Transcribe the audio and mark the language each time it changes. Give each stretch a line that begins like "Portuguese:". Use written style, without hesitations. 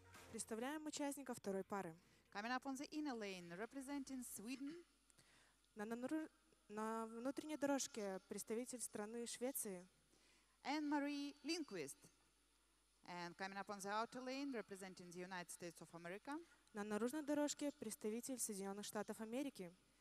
Russian: Представляем участников второй пары.
English: Coming up on the inner lane, representing Sweden.
Russian: На внутренней дорожке представитель страны Швеции.
English: Anne-Marie Lindquist. And coming up on the outer lane, representing the United States of America.
Russian: На наружной дорожке представитель Соединенных Штатов Америки.